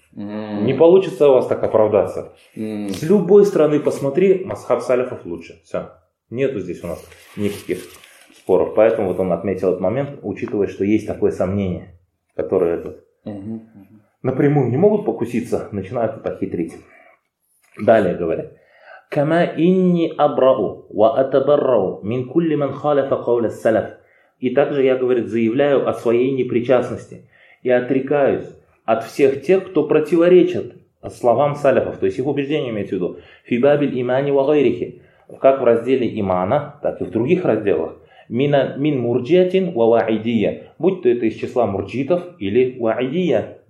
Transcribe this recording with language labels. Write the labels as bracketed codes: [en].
[ru] Не получится у вас так оправдаться. С любой стороны посмотри, мазхаб салифов лучше. Все. Нету здесь у нас никаких споров. Поэтому вот он отметил этот момент, учитывая, что есть такое сомнение, которое это напрямую не могут покуситься, начинают это хитрить. Далее говорят. [ar] كما إني أبرأ وأتبرأ من كل من خالف قول السلف. [ru] И также я, говорит, заявляю о своей непричастности и отрекаюсь от всех тех, кто противоречит словам салифов, то есть их убеждениям, имею в виду. [ar] في باب الإيمان وغيره, [ru] как в разделе имана, так и в других разделах. [ar] من مرجئة وواعدية, [ru] будь то это из числа мурджитов или واعدية.